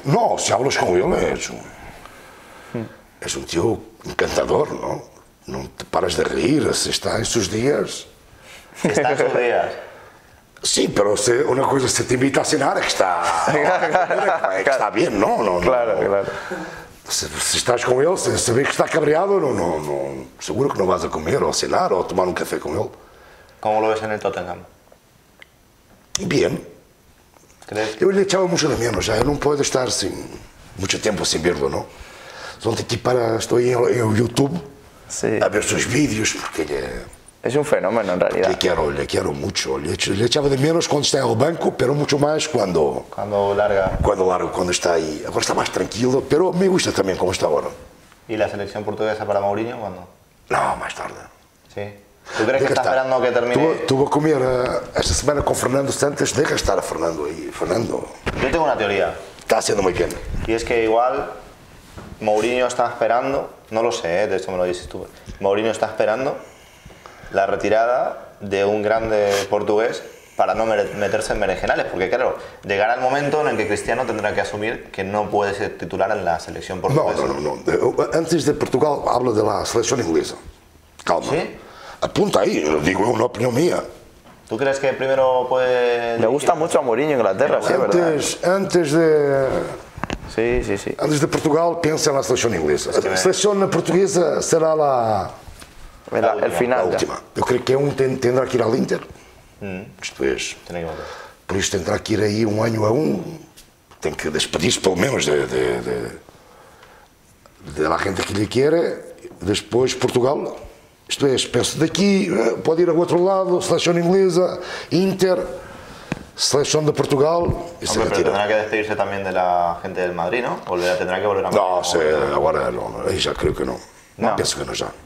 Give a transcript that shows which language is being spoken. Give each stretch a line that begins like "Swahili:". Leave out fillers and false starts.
Spanish: No, si hablas con él, es un tío encantador, ¿no? No te paras de reír, está en sus días. Está en sus días. Sí, pero una cosa, se te invita a cenar, que está bien, ¿no? Claro, claro.
Portuguese: Se estás com ele, se sabes que está cabreado, não, seguro que não vais a comer ou a cenar ou a tomar um café com ele.
Spanish: Como lo ves en el Tottenham? Bien.
Portuguese: Eu lhe echava
Spanish: mucho de menos,
Portuguese: já. Eu não posso estar assim, muito tempo sem ver-lo, não? Ontem aqui para, estou aí no YouTube, sí, a ver os seus vídeos, porque ele é... É um fenômeno, em realidade. Porque quero muito, lhe
Spanish: echava de menos
Portuguese: quando está no banco, pero muito mais quando... Quando larga. Quando larga, quando está aí. Agora está mais tranquilo,
Spanish: pero me gusta
Portuguese: também como está agora. E a seleção portuguesa para Mourinho, quando? Não, mais tarde.
Spanish: Sim. Sí. Tu crees que está esperando que termine? Tu vas a comer esta semana con Fernando Santos, deja estar a Fernando ahí, Fernando. Yo tengo una teoría. Está haciendo muy bien. Y es que igual Mourinho está esperando, no lo sé, de esto me lo dices tú. Mourinho está esperando la retirada de un grande portugués para no meterse en berenjenales, porque claro, llegará el momento en el que Cristiano tendrá que asumir que no puede ser titular en la selección portuguesa. No. Antes de Portugal, hablo de la selección inglesa. Calma. ¿Sí? Apunta ahí, digo, es una opinión mía. ¿Tú crees que primero puede...? Me gusta mucho a Mourinho Inglaterra, sí, antes, ¿verdad? Antes de... Sí, sí, sí. Antes de Portugal, piensa en la selección inglesa. Es que la selección portuguesa será la... La última, el final. La última. Ya. Yo creo que aún tendrá que ir al Inter. Después. Tiene que volver. Por eso tendrá que ir ahí un año a un. Tiene que despedirse, por lo menos, de la gente que le quiere. Después, Portugal.
Portuguese: Isto é, penso daqui, pode ir ao outro lado, seleção inglesa, Inter, seleção de Portugal e se retira. Tendrá que despedir-se também da gente do Madrid, não?
Spanish: Tendrá que volver a Madrid?
Portuguese: Não, sí, agora não, já creio que não. Não, penso que não já.